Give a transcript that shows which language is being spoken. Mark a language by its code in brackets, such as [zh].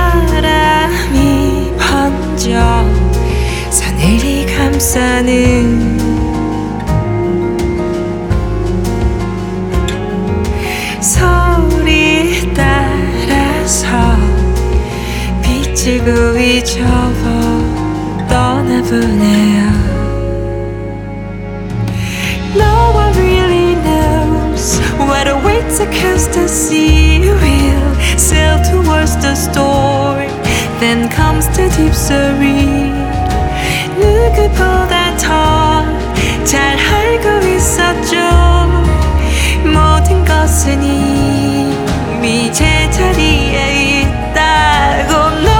[ko] 바람이 번져 서늘히 감싸는 소리 따라서 빛을 그이 접어 떠나보네요. [en] No one really knows what awaits across the sea. We'll sail towards the storm, then comes the deep serene. [ko] 누구보다 더 잘 알고 있었죠. 모든 것은 이미 제자리에 있다고.